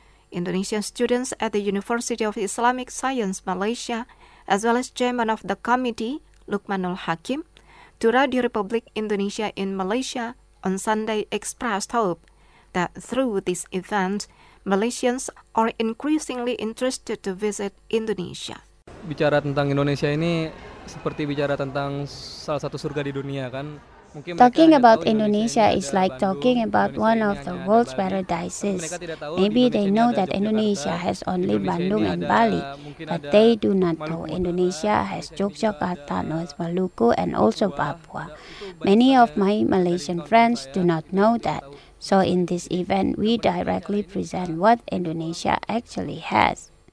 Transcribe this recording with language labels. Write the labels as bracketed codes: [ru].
[en] Indonesian students at the University of Islamic Science Malaysia, as well as Chairman of the Committee, Lukmanul Hakim, to Radio Republik Indonesia in Malaysia on Sunday expressed hope that through this event, Malaysians are increasingly interested to visit Indonesia. [id] Bicara tentang Indonesia ini seperti bicara tentang salah satu surga di dunia, kan? [en] Talking about Indonesia is like talking about one of the world's paradises. Maybe they know that Indonesia has only Bandung and Bali, but they do not know Indonesia has Yogyakarta, North Maluku, and also Papua. Many of my Malaysian friends do not know that. So in this event, we directly present what Indonesia actually has.